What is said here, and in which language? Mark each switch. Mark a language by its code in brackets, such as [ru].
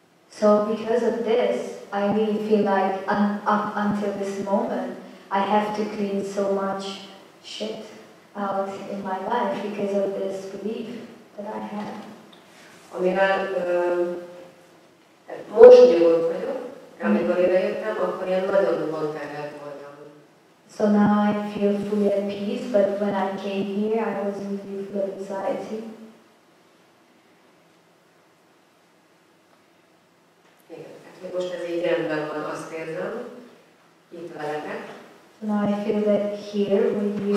[en] So because of this, I really feel like up until this moment, I have to clean so much shit out in my life because of this belief that I had. [hu] Amivel most nyugodt vagyok, amikor idejöttem, akkor ilyen nagyon mondtárát voltam. [en] So now I feel fully at peace, but when I came here, I was really full of anxiety. [hu] Most ez így rendben van, azt érzem, itt veletek. [en] Now I feel that here with you.